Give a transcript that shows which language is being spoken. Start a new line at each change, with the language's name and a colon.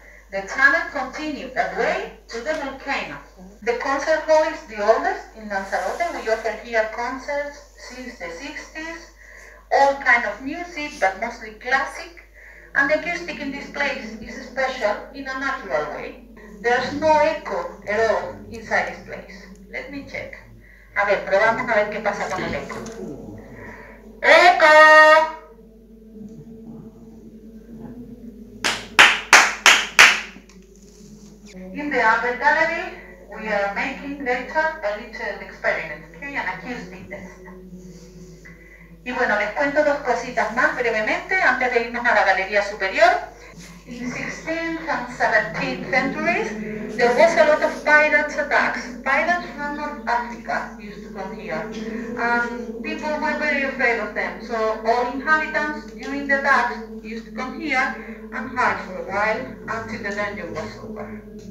English: The tunnel continued that way to the volcano. The concert hall is the oldest in Lanzarote. We offer here concerts since the 60s, all kind of music, but mostly classic. And the acoustic in this place is special in a natural way. There's no echo at all inside this place. Let me check.
Spanish: A ver, probamos a ver qué pasa con el echo. Echo!
English: In the upper gallery, we are making later a little experiment, okay, an acoustic test.
Spanish: Y bueno, les cuento dos cositas más brevemente antes de irnos a la galería superior.
English: In the 16th and 17th centuries, there was a lot of pirate attacks. Pirates from North Africa used to come here, and people were very afraid of them. So all inhabitants during the attacks used to come here and hide for a while until the danger was over.